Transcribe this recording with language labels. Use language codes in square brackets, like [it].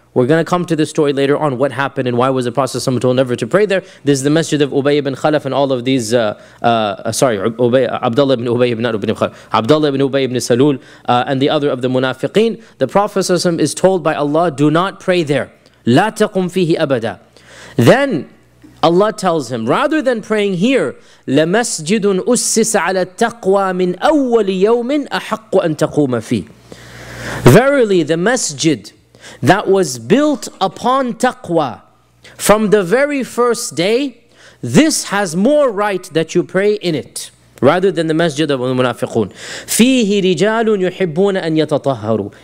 [en] We're going to come to the story later on, what happened and why was the Prophet ﷺ told never to pray there. This is the masjid of Ubay ibn Khalaf and all of these, Abdullah ibn Ubay ibn Salul and the other of the munafiqeen. The Prophet ﷺ is told by Allah, do not pray there. [ar] لا تقم فيه أبدا. Then Allah tells him, rather than praying here, لَمَسْجِدٌ أُسِّسَ عَلَى التَّقْوَى مِنْ أَوَّلِ يَوْمٍ أَحَقُّ أَن تَقُومَ فِيهِ. [en] Verily, the masjid that was built upon taqwa from the very first day, this has more right that you pray in it, rather than the masjid of al-munafiqun. [ar] فِيهِ رِجَالٌ يُحِبُّونَ أَن يَتَطَهَّرُوا.